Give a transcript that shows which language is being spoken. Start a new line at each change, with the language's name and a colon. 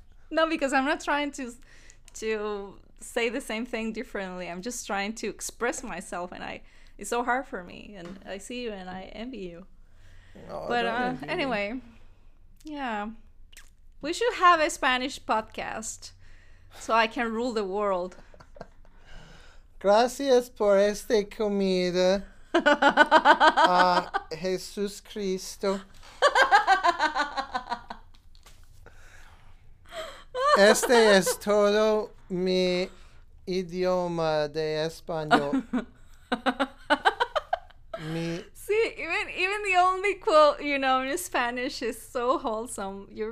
English: No, because I'm not trying to say the same thing differently. I'm just trying to express myself, and it's so hard for me. And I see you, and I envy you. Anyway, we should have a Spanish podcast, so I can rule the world.
Spanish: Gracias por esta comida. Jesus Cristo. Este es todo mi idioma de español.
English: See, even the only quote you know in Spanish is so wholesome.